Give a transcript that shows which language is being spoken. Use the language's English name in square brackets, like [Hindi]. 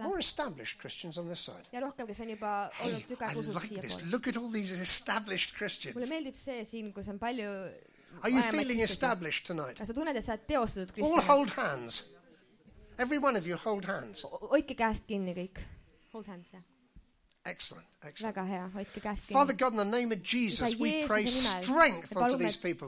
[English] More established Christians on this side. [Estonian] Ja rohkem, kes on juba olnud tükkaeg usus siia poole. [English] Look at all these established Christians. [Estonian] Mulle meeldib see siin, kus on palju. [English] Are you feeling established tonight? [Estonian] Kas sa tunned, et sa oled teostatud kristlane? [English] All hold hands. Every one of you hold hands. [Estonian] Hoidke käest kinni kõik. [English] Hold hands, jah. Excellent, excellent. [Estonian] Väga hea, hoidke käest kinni. [English] Father God, in the name of Jesus, we pray strength onto these people.